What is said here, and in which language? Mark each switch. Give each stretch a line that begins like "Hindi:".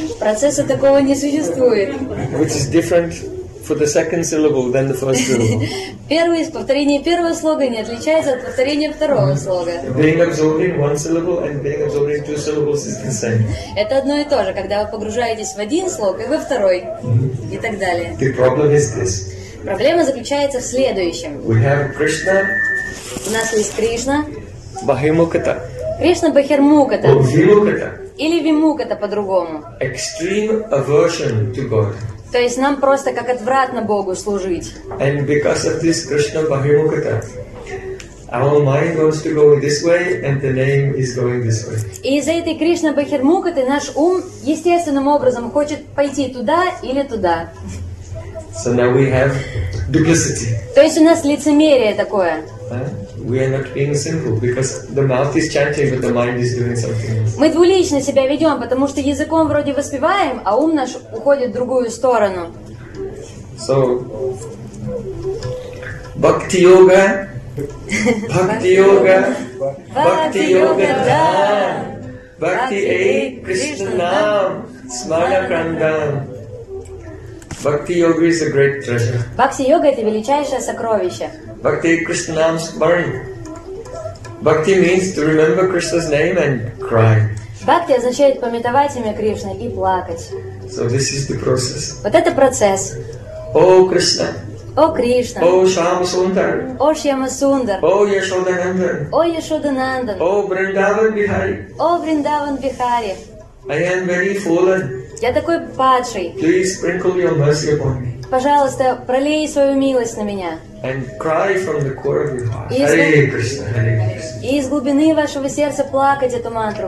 Russian: Процесса такого не существует.
English: Which is different for the second syllable than the first syllable.
Russian: Первое повторение первого слога не отличается от повторения второго слога.
English: Being absorbed in one syllable and being absorbed in two syllables is the same.
Russian: Это одно и то же, когда вы погружаетесь в один слог и во второй и так далее.
English: The problem is this.
Russian: Проблема заключается в следующем.
English: We have Krishna.
Russian: У нас есть Кришна. Бахимуката. Кришна Бахирмуката. Бахимуката. Или вимукхата по-другому.
English: Extreme aversion to God.
Russian: То есть нам просто как отвратно Богу служить.
English: And because of this Krishna bhimukhata, our mind wants to go this way, and the name is going this way.
Russian: И из-за этой Кришна бхимукхаты наш ум естественным образом хочет пойти туда или туда.
English: So now we have duplicity.
Russian: То есть у нас лицемерие такое.
English: We are not being simple because the mouth is chanting, but the mind is doing something else.
Russian: Мы двулично себя ведем, потому что языком вроде воспеваем, а ум наш уходит в другую сторону.
Sanskrit: So, bhakti yoga, bhakti yoga, bhakti yoga, bhakti a Krishna, smala krandam.
English: Bhakti yoga is a great treasure.
Russian: Bhakti yoga — это величайшее сокровище.
English: Bhakti Krishna's burning. Bhakti means to remember Krishna's name and cry.
Russian: Bhakti означает памятовать имя Кришны и плакать.
English: So this is the process.
Russian: Вот это процесс. О Кришна. О Кришна. О Шьяма Сундар. О Шьяма Сундар. О Яшода Нанда. О Яшода Нанда. О Бриндаван Бихари. О Бриндаван Бихари.
English: I am very fallen.
Russian: Я такой падший.
English: Please sprinkle your mercy upon me.
Russian: Пожалуйста, пролей свою милость на меня.
English: And cry from the core of your heart.
Sanskrit: Hare Krishna, Hare Krishna.
Russian: И из глубины вашего сердца плакать эту мантру.